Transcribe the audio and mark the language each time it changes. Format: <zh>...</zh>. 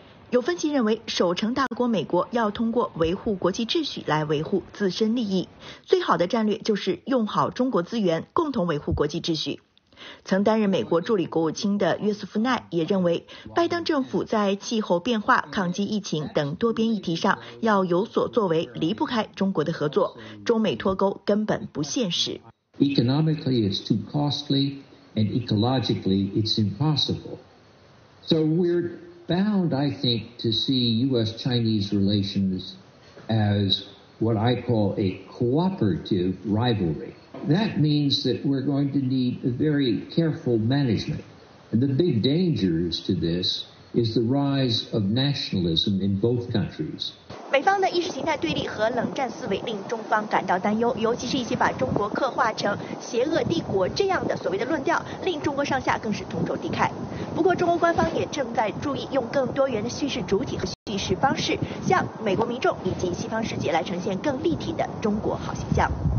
<zh>有分析认为，守成大国美国要通过维护国际秩序来维护自身利益，最好的战略就是用好中国资源，共同维护国际秩序。曾担任美国助理国务卿的约瑟夫奈也认为，拜登政府在气候变化、抗击疫情等多边议题上要有所作为，离不开中国的合作，中美脱钩根本不现实。</zh> <en>Economically, it's too costly, and ecologically, it's impossible. So we're bound, I think, to see U.S.-Chinese relations as what I call a cooperative rivalry. That means that we're going to need a very careful management. And the big dangers to this is the rise of nationalism in both countries.</en> <zh>美方的意识形态对立和冷战思维令中方感到担忧，尤其是一些把中国刻画成邪恶帝国这样的所谓的论调，令中国上下更是同仇敌忾。不过中国官方也正在注意用更多元的叙事主体和叙事方式，向美国民众以及西方世界来呈现更立体的中国好形象。</zh>